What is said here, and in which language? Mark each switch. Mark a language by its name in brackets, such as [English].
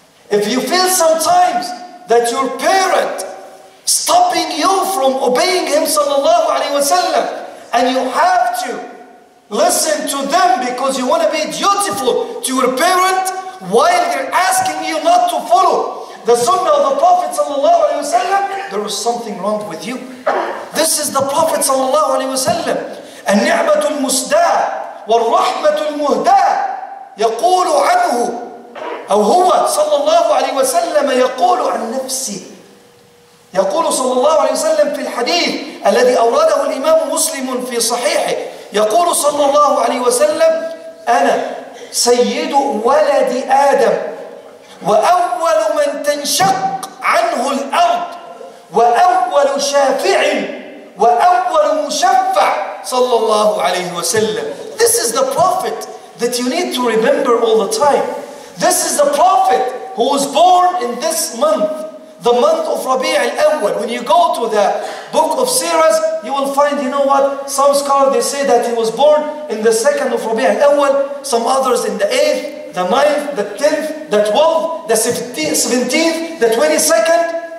[English] If you feel sometimes that your parent stopping you from obeying him sallallahu alayhi wa sallam, and you have to listen to them because you want to be dutiful to your parent while they're asking you not to follow the sunnah of the Prophet sallallahu alayhi wa sallam, there is something wrong with you. This is the Prophet sallallahu alayhi wa sallam. [Arabic] النِّعْمَةُ الْمُسْدَاءُ وَالرَّحْمَةُ الْمُهْدَاءُ يَقُولُ عَنْهُ أو هو صلى الله عليه وسلم يقول عن نفسه. يقول صلى الله عليه وسلم في الحديث الذي أورده الإمام مسلم في صحيحه، يقول صلى الله عليه وسلم: أنا سيد ولد آدم وأول من تنشق عنه الأرض وأول شافع وأول مشفع صلى الله عليه وسلم. [English] This is the prophet that you need to remember all the time. This is the prophet who was born in this month, the month of Rabi' al-Awwal. When you go to the book of Sirahs, you will find, you know what, some scholars, they say that he was born in the second of Rabi' al-Awwal, some others in the 8th, the 9th, the 10th, the 12th, the 17th, the 22nd.